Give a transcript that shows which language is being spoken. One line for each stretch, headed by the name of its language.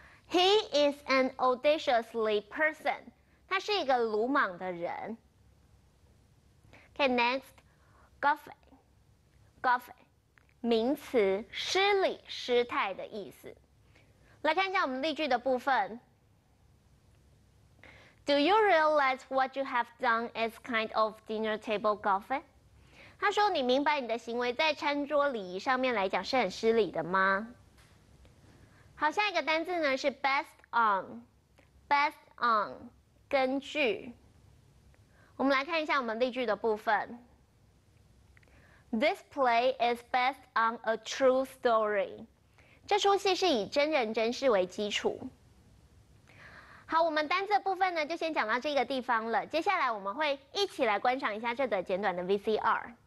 English: He is an audaciously person.
Chinese: 他是一个鲁莽的人。 Okay, next, guffaw， 名词，失礼、失态的意思。来看一下我们例句的部分。
English: Do you realize what you have done is kind of dinner table guffaw?
Chinese: 他说：“你明白你的行为在餐桌礼仪上面来讲是很失礼的吗？” 好，下一个单字呢是 based on， 根据。我们来看一下我们例句的部分。
English: This play is based on a true story。
Chinese: 这出戏是以真人真事为基础。好，我们单字的部分呢就先讲到这个地方了。接下来我们会一起来观赏一下这则简短的 VCR。